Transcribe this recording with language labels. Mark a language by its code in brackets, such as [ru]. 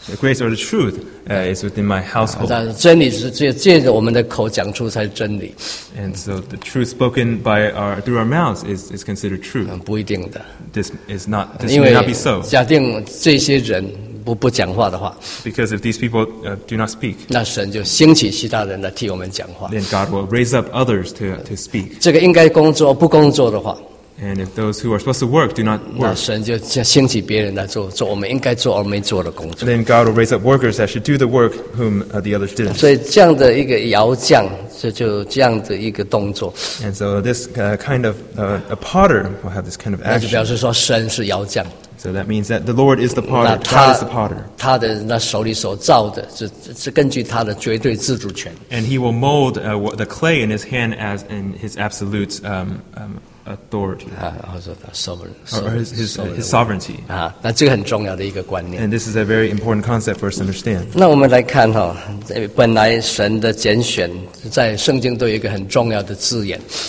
[en] the grace or the truth is within my household. [zh] 但真理是借着我们的口讲出才是真理。 [en] And so the truth spoken by our through our mouths is considered truth. [zh] 不一定的。 [en] This may not be so. [zh] 假定这些人不讲话的话 [en] ，because if these people do not speak, [zh] 那神就兴起其他人来替我们讲话。 [en] Then God will raise up others to speak. [zh] 这个应该工作不工作的话。 [en] And if those who are supposed to work do not work, [zh] 那神就兴起别人来做我们应该做而没做的工作。 [en] Then God will raise up workers that should do the work whom the others didn't. [zh] 所以这样的一个窑匠就这样的一个动作。 [en] And so this kind of a potter will have this kind of action. [zh] 那就表示说神是窑匠。 [en] So that means that the Lord is the potter. God is the potter. [zh] 他的那手里所造的，是根据他的绝对自主权。 [en] And he will mold the clay in his hand as in his absolute authority, or his sovereignty. And this is a very important concept for us to understand. [zh] 那我们来看哈，本来神的拣选在圣经都有一个很重要的字眼。